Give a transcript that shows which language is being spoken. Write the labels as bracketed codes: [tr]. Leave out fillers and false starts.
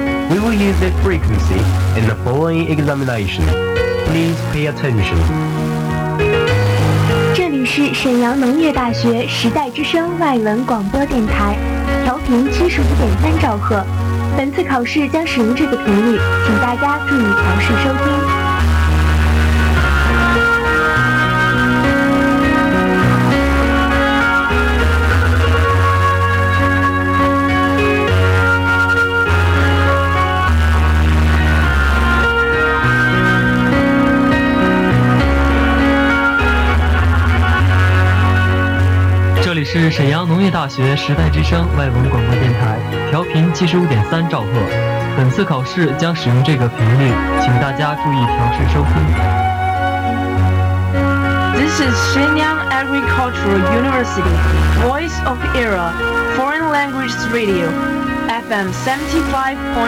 [en] We will use this frequency in the following examination. Please pay attention. [zh] 这里是沈阳农业大学时代之声外文广播电台，调频75.3兆赫。本次考试将使用这个频率，请大家注意调试收听。这里是沈阳农业大学时代之声外文广播电台，调频75.3兆赫。本次考试将使用这个频率，请大家注意调试收听。 [en] This is Shenyang Agricultural University, Voice of Era, Foreign Languages Radio, FM 75.3.